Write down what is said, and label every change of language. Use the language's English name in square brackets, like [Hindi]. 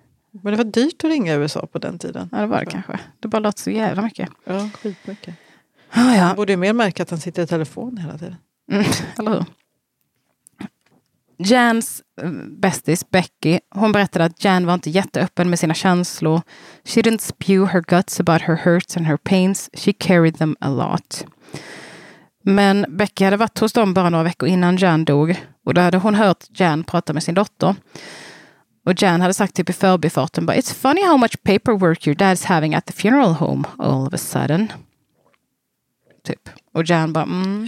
[Swedish] Men det var dyrt att ringa i USA på den tiden. Ja, det var det kanske. Det bara låter så jävla mycket. Ja, skitmycket. Ah, ja. Han borde ju mer märka att han sitter i telefon hela tiden. Eller hur? Jans bästis Becky, hon berättade att Jan var inte jätteöppen med sina känslor. [English] She didn't spew her guts about her hurts and her pains. She carried them a lot. [Swedish] Men Becky hade varit hos dem bara några veckor innan Jan dog. Och då hade hon hört Jan prata med sin dotter. Och Jan hade sagt typ i förbifarten, [English] but it's funny how much paperwork your dad's having at the funeral home all of a sudden. [Swedish] Typ. Och Jan bara, mm.